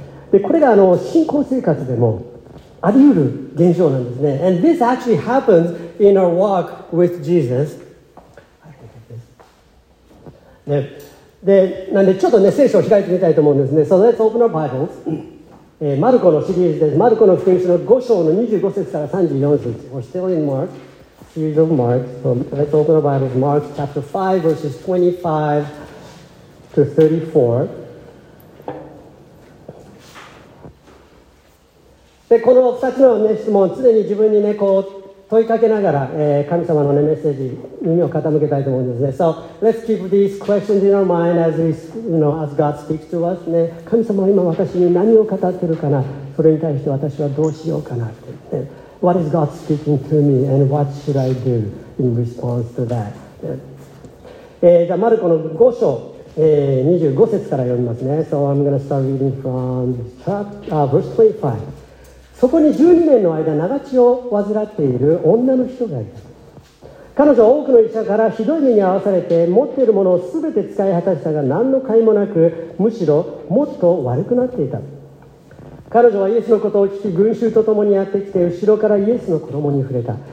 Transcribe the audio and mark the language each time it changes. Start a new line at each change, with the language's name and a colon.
Japanese: でこれがあの信仰生活でもあり得る現象なんですね。
English: And this actually happens in our walk with Jesus.
Japanese: ね、でなんでちょっとね聖書を開いてみたいと思うんですね。
English: So let's open our Bibles.
Japanese: マルコのシリーズです。マルコの福音書の5章の25節から34節。
English: We're still in Mark, series of Mark. So let's open our Bibles. Mark chapter 5 verses 25 to 34.
Japanese: でこの2つの、ね、質問を常に自分に、ね、こう問いかけながら、神様の、ね、メッセージ耳を傾けたいと思うんですね。
English: So let's keep these questions in our mind as, we, you know, as God speaks to us、
Japanese: ね、神様は今私に何を語ってるかな、それに対して私はどうしようかなって、ね、
English: What is God speaking to me and what should I do in response to that、
Japanese: ね、じゃあマルコの5章25節から読みますね。
English: So I'm going to start reading from verse 25。
Japanese: そこに12年の間長血を患っている女の人がいた。彼女は多くの医者からひどい目に遭わされて持っているものをすべて使い果たしたが何の甲斐もなく、むしろもっと悪くなっていた。彼女はイエスのことを聞き群衆と共にやってきて後ろからイエスの衣に触れた。